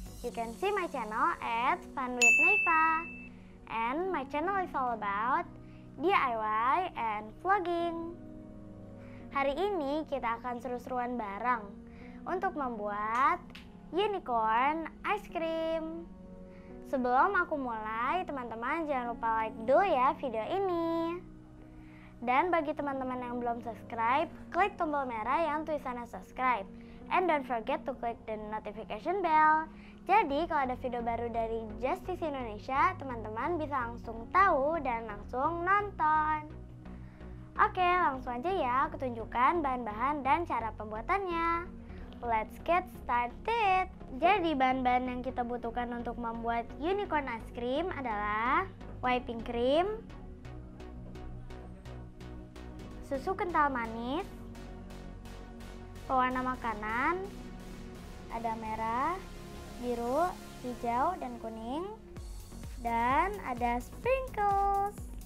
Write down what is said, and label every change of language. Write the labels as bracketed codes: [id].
[en] You can see my channel at Fun with Nayfa. And my channel is all about DIY and vlogging. [id] Hari ini kita akan seru-seruan bareng untuk membuat unicorn ice cream. Sebelum aku mulai, teman-teman jangan lupa like dulu ya video ini. Dan bagi teman-teman yang belum subscribe, klik tombol merah yang tulisannya subscribe. [en] And don't forget to click the notification bell. [id] Jadi kalau ada video baru dari Justice Indonesia, teman-teman bisa langsung tahu dan langsung nonton. Oke, langsung aja ya aku tunjukkan bahan-bahan dan cara pembuatannya. [en] Let's get started. [id] Jadi bahan-bahan yang kita butuhkan untuk membuat unicorn ice cream adalah whipping cream, susu kental manis, pewarna makanan, ada merah, biru, hijau, dan kuning, dan ada sprinkles.